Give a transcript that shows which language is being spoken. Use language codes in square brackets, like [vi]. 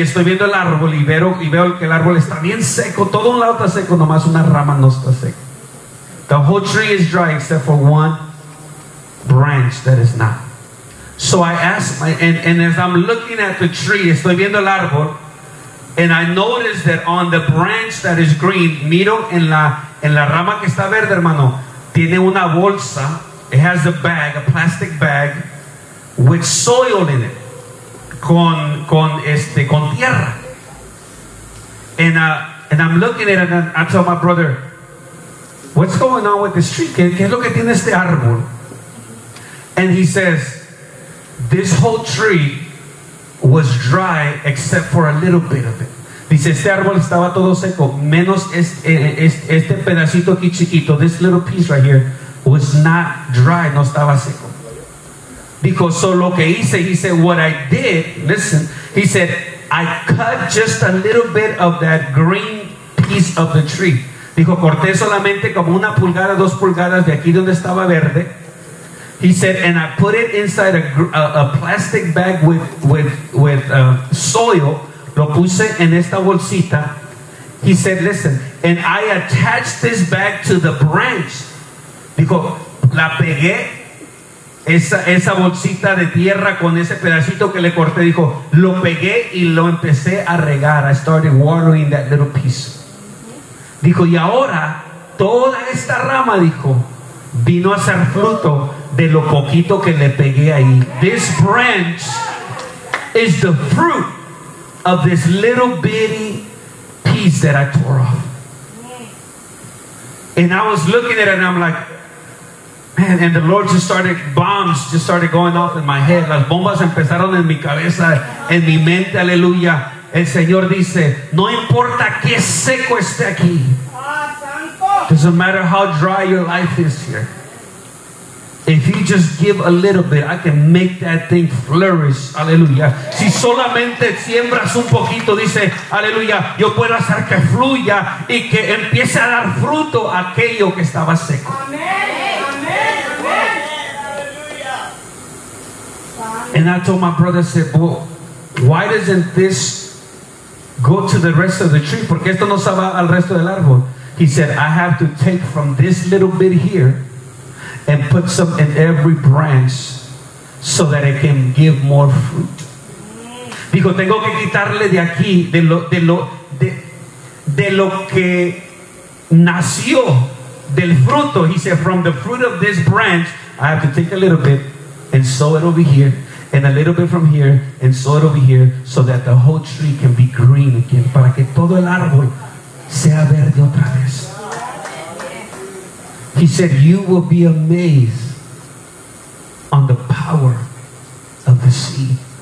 [es] Estoy viendo el árbol y veo que el árbol está bien seco. Todo un lado está seco, nomás una rama no está seca. [en] The whole tree is dry except for one branch that is not. So I ask, and as I'm looking at the tree, [es] estoy viendo el árbol, [en] and I notice that on the branch that is green, [es] miro en la rama que está verde, hermano, [en] tiene una bolsa, it has a bag, a plastic bag, with soil in it, [es] con tierra. [en] And I'm looking at it, and I tell my brother, what's going on with this tree? [es] ¿Qué es lo que tiene este árbol? [en] And he says, this whole tree was dry except for a little bit of it. [es] Dice, este árbol estaba todo seco, menos este pedacito aquí chiquito, [en] this little piece right here, was not dry, [es] no estaba seco. Dijo, [en] so [es] lo que hice, [en] he said, what I did, listen, he said, I cut just a little bit of that green piece of the tree. [es] Dijo, corté solamente como una pulgada, dos pulgadas de aquí donde estaba verde. [en] He said, and I put it inside a plastic bag with soil. [es] Lo puse en esta bolsita. [en] He said, listen, and I attached this bag to the branch. [es] Dijo, la pegué, esa bolsita de tierra con ese pedacito que le corté. Dijo, lo pegué y lo empecé a regar. [en] I started watering that little piece. [es] Dijo, y ahora toda esta rama, dijo, vino a ser fruto de lo poquito que le pegué ahí. [en] This branch is the fruit of this little bitty piece that I tore off. And I was looking at it and I'm like, man, and the Lord just started, bombs just started going off in my head. [es] Las bombas empezaron en mi cabeza, en mi mente, aleluya. El Señor dice, no importa qué seco esté aquí. [en] Doesn't matter how dry your life is here. If you just give a little bit, I can make that thing flourish. [es] Aleluya. Si solamente siembras un poquito, dice, aleluya, yo puedo hacer que fluya y que empiece a dar fruto a aquello que estaba seco. Amén. Amén. Amén. [en] And I told my brother, I said, well, why doesn't this go to the rest of the tree? [es] Porque esto no se va al resto del árbol. [en] He said, I have to take from this little bit here and puts them in every branch so that it can give more fruit. [es] Dijo, tengo que quitarle de aquí de lo que nació del fruto. [en] He said, from the fruit of this branch, I have to take a little bit and sow it over here, and a little bit from here and sow it over here, so that the whole tree can be green again. [es] Para que todo el árbol sea verde otra vez. [en] He said, you will be amazed on the power of the seed.